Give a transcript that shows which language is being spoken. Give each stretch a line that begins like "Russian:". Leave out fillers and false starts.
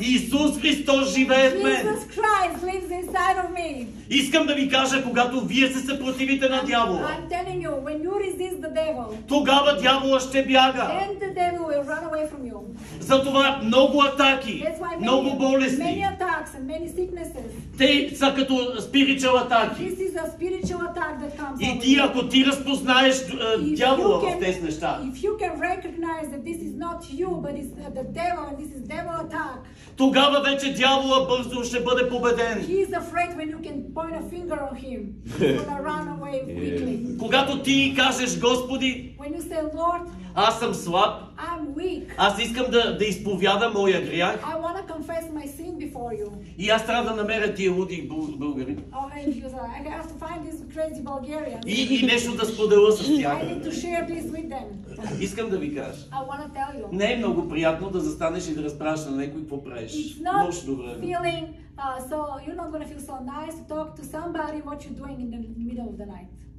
Bulgarian: Исус Христос живее в мен.
English: Jesus Christ lives inside of me.
Bulgarian: Искам да ви кажа, когато вие се съпротивите на дявола,
English: I'm telling you, when you resist the devil,
Bulgarian: тогава дявола ще бяга.
English: Then the devil will run away from you.
Bulgarian: Затова много атаки,
English: many,
Bulgarian: много болести.
English: Many attacks and many sicknesses.
Bulgarian: Те са като spiritual атаки.
English: This is a spiritual attack that comes.
Bulgarian: И ти, ако ти разпознаеш дявола в тези неща,
English: if you can recognize that this is not you, but it's the devil and this is devil attack.
Bulgarian: Тогава вече дявола бързо ще бъде победен.
English: He is afraid when you can point a finger on him. He will run away quickly.
Bulgarian: Когато ти кажеш, Господи,
English: when you say, Lord,
Bulgarian: аз съм слаб.
English: I'm weak.
Bulgarian: Аз искам да изповядам моя грях.
English: I want to confess my sin before. before you.
Bulgarian: И аз трябва да намеря тия луди българи.
English: Oh, and you say, I have to find these crazy Bulgarians.
Bulgarian: И нещо да споделя с тях.
English: I need to share this with them.
Bulgarian: Искам да ви кажа.
English: I want to tell you.
Bulgarian: Не е много приятно да застанеш и да разправиш на някой какво правиш.
English: It's not feeling, so you're not going to feel so nice to talk to somebody what you're doing in the middle of the night.